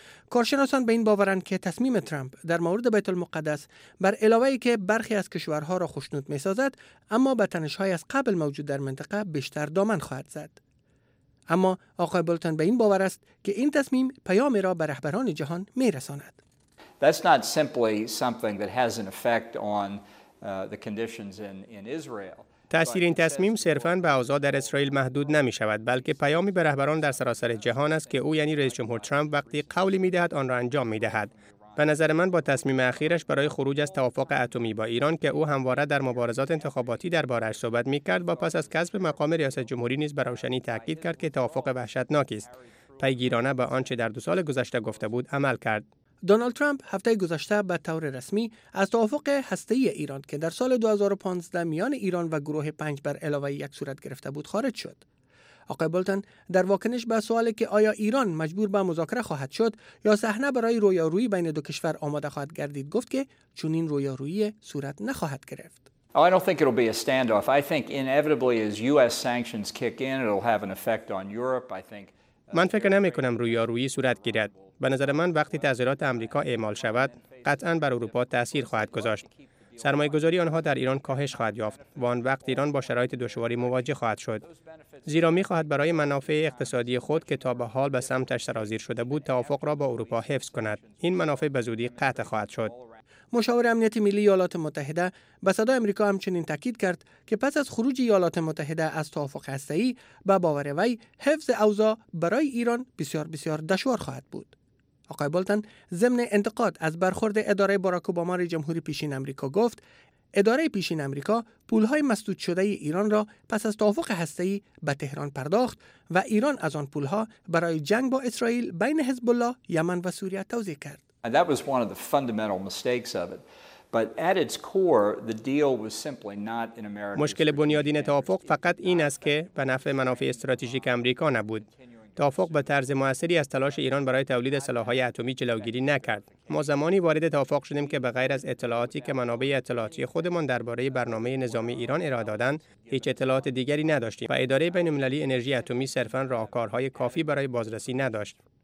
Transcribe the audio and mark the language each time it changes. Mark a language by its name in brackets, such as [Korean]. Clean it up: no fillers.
[Persian] کارشناسان به این باورند که تصمیم ترامپ در مورد بیت المقدس بر علاوه ای که برخی از کشورها را خوشنود می‌سازد، اما به تنش‌های از قبل موجود در منطقه بیشتر دامن خواهد زد. اما آقای بولتن به این باور است که این تصمیم پیامی را به رهبران جهان می‌رساند. [English] That's not simply something that has an effect on the conditions in Israel. [Persian] تأثیر این تصمیم صرفاً به اوضاع در اسرائیل محدود نمی‌شود، بلکه پیامی به رهبران در سراسر جهان است که او یعنی رئیس جمهور ترامپ وقتی قولی می‌دهد آن را انجام می‌دهد. به نظر من با تصمیم اخیرش برای خروج از توافق اتمی با ایران که او همواره در مبارزات انتخاباتی درباره‌اش صحبت می‌کرد و پس از کسب مقام ریاست جمهوری نیز به روشنی تأکید کرد که توافق وحشتناکی است، پیگیرانه به آنچه در دو سال گذشته گفته بود عمل کرد. دونالد ترامپ هفته گذشته به طور رسمی از توافق هسته‌ای ایران که در سال 2015 میان ایران و گروه 5 بر علاوه یک صورت گرفته بود خارج شد. آقای بولتن در واکنش به سوالی که آیا ایران مجبور به مذاکره خواهد شد یا صحنه برای رویارویی بین دو کشور آماده خواهد گردید گفت که چنین رویارویی صورت نخواهد گرفت. [English] I don't think it'll be a standoff. I think inevitably as US sanctions kick in it'll have an effect on Europe. I think [Persian] من فکر نمی‌کنم رویارویی صورت گیرد. به نظر من وقتی تظاهرات آمریکا اعمال شود قطعاً بر اروپا تأثیر خواهد گذاشت. سرمایه گذاری آنها در ایران کاهش خواهد یافت و آن وقت ایران با شرایط دشواری مواجه خواهد شد، زیرا می خواهد برای منافع اقتصادی خود که تا به حال به سمتش سرازیر شده بود توافق را با اروپا حفظ کند. این منافع به زودی قطع خواهد شد. مشاور امنیت ملی ایالات متحده به صدای آمریکا همچنین تاکید کرد که پس از خروج ایالات متحده از توافق هسته‌ای به باور وی حفظ اوضاع برای ایران بسیار بسیار دشوار خواهد بود. آقای بولتن ضمن انتقاد از برخورد اداره باراک اوباما رئیس جمهور پیشین آمریکا گفت اداره پیشین آمریکا پول‌های مسدود شده ای ایران را پس از توافق هسته‌ای به تهران پرداخت و ایران از آن پول‌ها برای جنگ با اسرائیل بین حزب الله، یمن و سوریه توزیع کرد. [English] And that was one of the fundamental mistakes of it. But at its core, the deal was simply not in America. [Persian] مشکل بنیادین توافق فقط این است که به نفع منافع استراتژیک آمریکا نبود. توافق به طرز مؤثری از تلاش ایران برای تولید سلاح‌های اتمی جلوگیری نکرد. ما زمانی وارد توافق شدیم که به غیر از اطلاعاتی که منابع اطلاعاتی خودمان درباره برنامه نظامی ایران ارائه دادند، هیچ اطلاعات دیگری نداشتیم و اداره بین‌المللی انرژی اتمی صرفاً راهکارهای کافی برای بازرسی نداشت.